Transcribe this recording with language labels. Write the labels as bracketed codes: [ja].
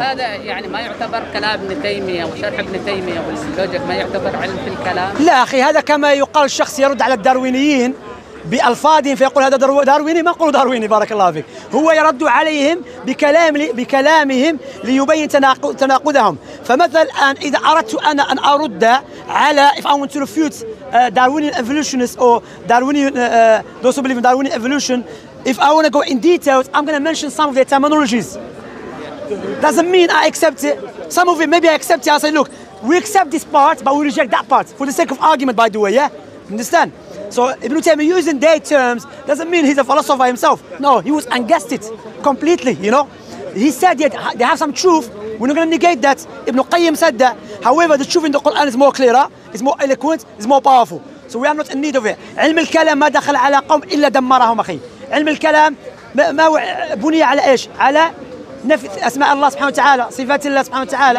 [ar] هذا يعني ما يعتبر كلام ابن تيمية وشرح ابن تيمية واللوجيك، ما يعتبر علم في الكلام؟ لا أخي، هذا كما يقال الشخص يرد على الداروينيين بألفاظهم فيقول هذا دارويني، ما قلوا دارويني بارك الله فيك، هو يرد عليهم بكلامهم ليبين تناقضهم. فمثلا الآن إذا أردت أنا أن أرد على [en] if I want to refute Darwinian evolutionist or Darwinian those who believe in Darwinian evolution, if I want to go in details I'm going to mention some of their terminologies. Doesn't mean I accept it. Some of it maybe I accept it. I say look, we accept this part but we reject that part for the sake of argument by the way, yeah? Understand? So Ibn Taymiyyah using their terms doesn't mean he's a philosopher himself. No, he was unguessed completely, you know. He said that they have some truth. We're not going to negate that. Ibn Qayyim said that. However, the truth in the Quran is more clearer, it's more eloquent, it's more powerful. So we are not in need of it. [ar] علم الكلام ما دخل على قوم إلا دمرهم أخي. علم الكلام ما بني على إيش؟ على نفث أسماء الله سبحانه وتعالى، صفات الله سبحانه وتعالى.